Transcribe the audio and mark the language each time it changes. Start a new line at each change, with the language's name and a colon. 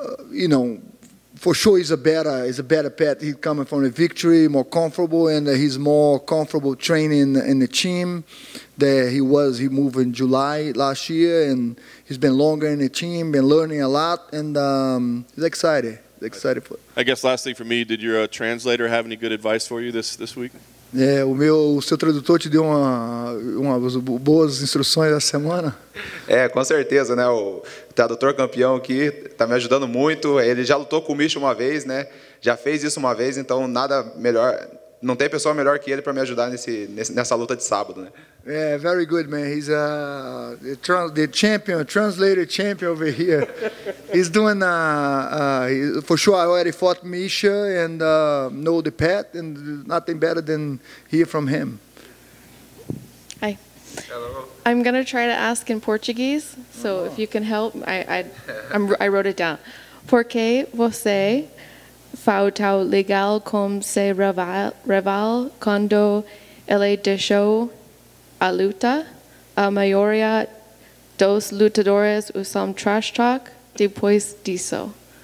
English: you know, for sure he's a better pet. He's coming from a victory, more comfortable, and he's more comfortable training in the team that he moved in July last year, and he's been longer in the team, been learning a lot, and he's excited for it. I guess last thing for me, did your translator have any good advice for you this week?
Portuguese: Yeah, o seu tradutor te deu umas boas instruções essa semana? Com certeza, né? O tradutor campeão aqui está me ajudando muito. Ele já lutou com o Misha uma vez, né? Já fez isso uma vez, então nada melhor, não tem pessoa melhor que ele para me ajudar nessa luta de sábado, né?
English: Yeah, very good, man. He's the translator champion over here. He's doing for sure. I already fought Misha and know the pet, and nothing better than hear from him. Hi. Hello. I'm gonna try to ask in Portuguese, so if you can help, I wrote it down.
Portuguese: Por que você faz tão legal com seu rival quando ele deixou a luta? A maioria dos lutadores usam trash talk depois disso.